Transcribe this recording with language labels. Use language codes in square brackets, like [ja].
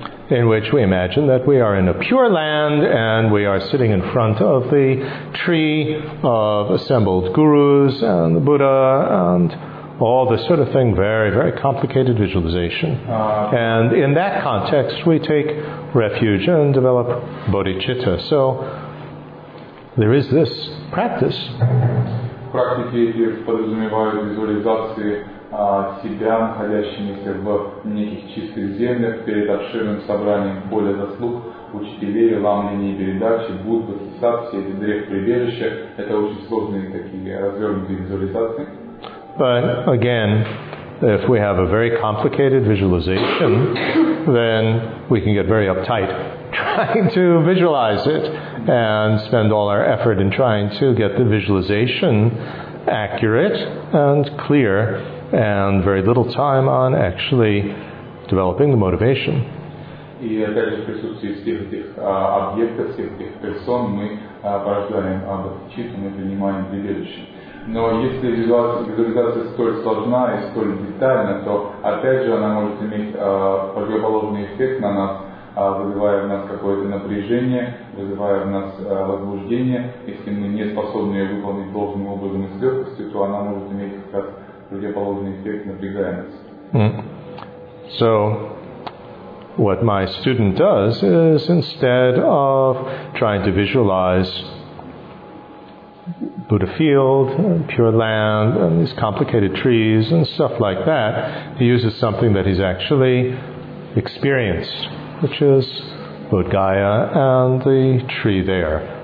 [en] In which we imagine that we are in a pure land and we are sitting in front of the tree of assembled gurus and the Buddha and all this sort of thing, very, very complicated visualization. And in that context, we take refuge and develop bodhicitta. So, there is this practice. [ru] Практики подразумевают визуализации себя, находящимися в неких чистых землях, перед обширным собранием более заслуг, учителей, ламлений, передачи, будд, бодхисаттв, все эти древ-прибежища. Это очень сложные такие развернутые визуализации. [en] But again, if we have a very complicated visualization, then we can get very uptight trying to visualize it and spend all our effort in trying to get the visualization accurate and clear, and very little time on actually developing the motivation. [ru] И опять же, в присутствии всех этих объектов, всех этих персон, мы порождаем бодхичитту, мы принимаем прибежище. Но если визуализация столь сложна и столь детальна, то опять же она может иметь противоположный эффект на нас, вызывая в нас какое-то напряжение, вызывая в нас возбуждение. Если мы не способны ее выполнить должным образом и с легкостью, то она может иметь как раз противоположный эффект, напрягая нас. [en] So, what my student does is instead of trying to visualize Buddha field, pure land, and these complicated trees and stuff like that, he uses something that he's actually experienced, which is Bodh Gaya and the tree there.